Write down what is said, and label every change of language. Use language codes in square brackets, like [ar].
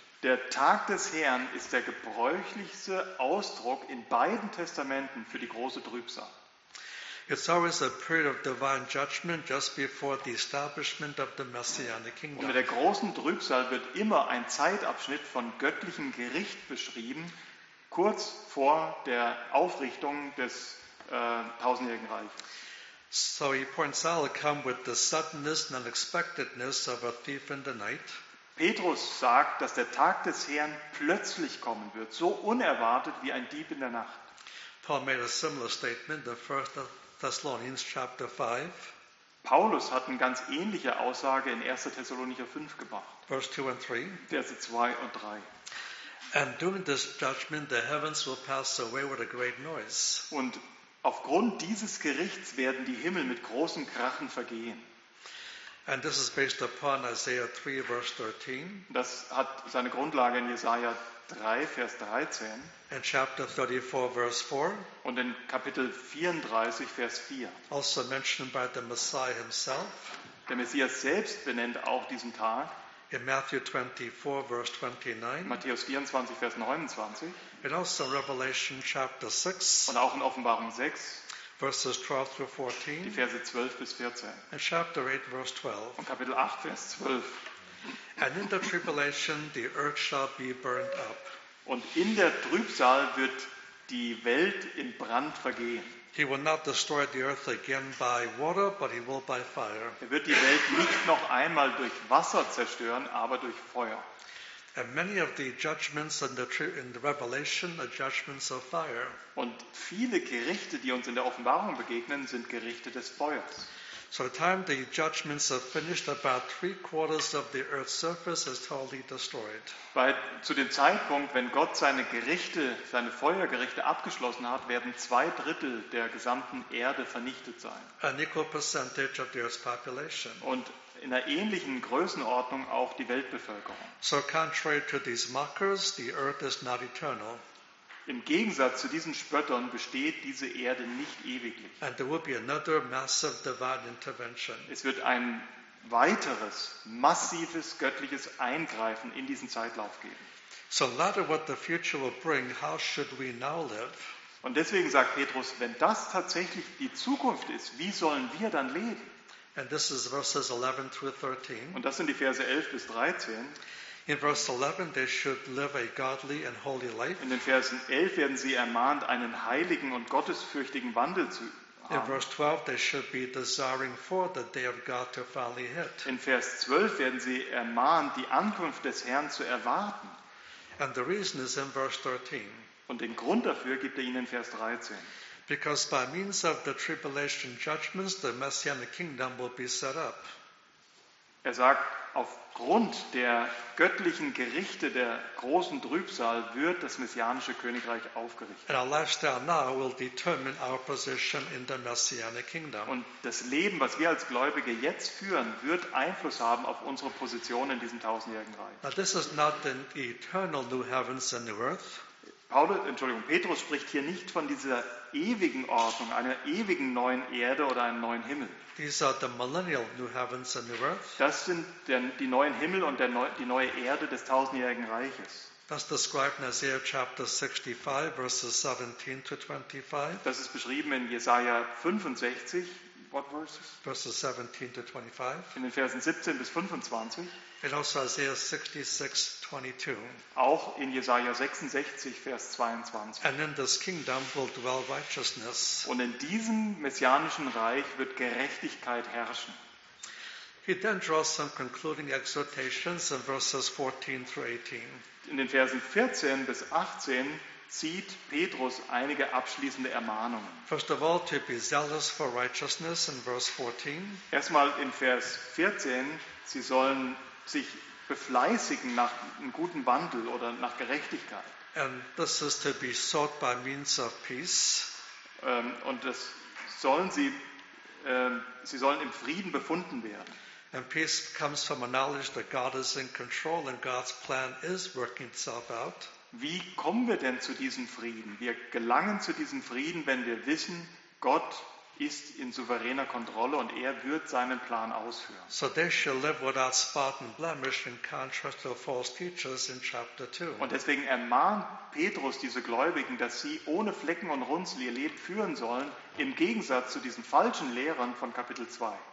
[de] Der Tag des Herrn ist der gebräuchlichste Ausdruck in beiden Testamenten für die große Trübsal. [en] It's always a period of divine judgment just before the establishment of the Messianic kingdom. [de] Und mit der großen Trübsal wird immer ein Zeitabschnitt von göttlichem Gericht beschrieben, kurz vor der Aufrichtung des tausendjährigen Reiches. [en] So he points out it come with the suddenness and unexpectedness of a thief in the night. [de] Petrus sagt, dass der Tag des Herrn plötzlich kommen wird, so unerwartet wie ein Dieb in der Nacht. [en] Paul made a similar statement in 1 Thessalonians chapter 5. [de] Paulus hat eine ganz ähnliche Aussage in 1. Thessalonicher 5 gemacht. [en] Verse 2 and 3. [de] Verse 2 und 3. [en] And during this judgment the heavens will pass away with a great noise. [de] Und aufgrund dieses Gerichts werden die Himmel mit großem Krachen vergehen. [en] And this is based upon Isaiah 3, verse 13. [de] Das hat seine Grundlage in Jesaja 3, Vers 13. [en] And chapter 34, verse 4. [de] Und in Kapitel 34, Vers 4. [en] Also mentioned by the Messiah himself. [de] Der Messias selbst benennt auch diesen Tag. [en] In Matthew 24, verse 29. [de] Matthäus 24, Vers 29. [en] And also Revelation chapter 6. [de] Und auch in Offenbarung 6. [en] Verses 12 through 14. [de] Die Verse 12 bis 14. [en] And chapter 8, verse 12. [de] Und Kapitel 8, Vers 12. [en] And in the tribulation, the earth shall be burned up. [de] Und in der Trübsal wird die Welt in Brand vergehen. [en] He will not destroy the earth again by water, but he will by fire. [de] Er wird die Welt nicht noch einmal durch Wasser zerstören, aber durch Feuer. [en] And many of the judgments in the Revelation are judgments of fire. [de] Und viele Gerichte, die uns in der Offenbarung begegnen, sind Gerichte des Feuers. [en] So the time the judgments are finished, about 3/4 of the earth's surface is totally destroyed. [de] Weil zu dem Zeitpunkt, wenn Gott seine Gerichte, seine Feuergerichte abgeschlossen hat, werden 2/3 der gesamten Erde vernichtet sein. [en] An equal percentage of the earth's population. [de] Und in einer ähnlichen Größenordnung auch die Weltbevölkerung. [en] So contrary to these mockers, the earth is not eternal. [de] Im Gegensatz zu diesen Spöttern besteht diese Erde nicht ewiglich. [en] And there will be another massive divine intervention. [de] Es wird ein weiteres massives göttliches Eingreifen in diesen Zeitlauf geben. [en] So no matter what the future will bring, how should we now live? [de] Und deswegen sagt Petrus, wenn das tatsächlich die Zukunft ist, wie sollen wir dann leben? [en] And this is verses 11 through 13. [de] Und das sind die Verse 11 bis 13. [en] In verse 11 they should live a godly and holy life. [de] In den Versen 11 werden sie ermahnt, einen heiligen und gottesfürchtigen Wandel zu [en] In verse 12 they should be desiring for the day of God to finally hit. [de] In Vers 12 werden sie ermahnt, die Ankunft des Herrn zu erwarten. [en] And the reason is in verse 13. [de] Und den Grund dafür gibt ihnen in Vers 13. [en] Because by means of the tribulation judgments the messianic kingdom will be set up. [de] Er sagt, aufgrund der göttlichen Gerichte der großen Trübsal wird das messianische Königreich aufgerichtet. [en] And our lifestyle now will determine our position in the messianic kingdom. [de] Und das Leben, was wir als Gläubige jetzt führen, wird Einfluss haben auf unsere Position in diesem tausendjährigen Reich. [en] But this is not the eternal new heavens and new earth. [de] Petrus spricht hier nicht von dieser ewigen Ordnung, einer ewigen neuen Erde oder einem neuen Himmel. [en] These are the millennial new heavens and new earth. [de] Das sind die neuen Himmel und die neue Erde des tausendjährigen Reiches. [en] That's described in Isaiah chapter 65, verses 17 to 25. [de] Das ist beschrieben in Jesaja 65. [en] What verses? Verses 17 to 25. [de] In den Versen 17 bis 25. [en] And also Isaiah 66, 22. [de] Auch in Jesaja 66, Vers 22. [en] And in this kingdom will dwell righteousness. [de] Und in diesem messianischen Reich wird Gerechtigkeit herrschen. [en] He then draws some concluding exhortations in verses 14 through 18. [de] In den Versen 14 bis 18 zieht Petrus einige abschließende Ermahnungen. [en] First of all, to be zealous for righteousness in verse 14. [de] Erstmal in Vers 14, sie sollen sich befleißigen nach einem guten Wandel oder nach Gerechtigkeit. [en] And this is to be sought by means of peace. [de] Und das sollen sie, sie sollen im Frieden befunden werden. [en] And peace comes from a knowledge that God is in control and God's plan is working itself out. [de] Wie kommen wir denn zu diesem Frieden? Wir gelangen zu diesem Frieden, wenn wir wissen, Gott ist in souveräner Kontrolle und er wird seinen Plan ausführen. [en] So they shall live without spot and blemish in contrast to false teachers in chapter 2. [de] Und deswegen ermahnt Petrus diese Gläubigen, dass sie ohne Flecken und Runzel ihr Leben führen sollen, im Gegensatz zu diesen falschen Lehrern von Kapitel 2.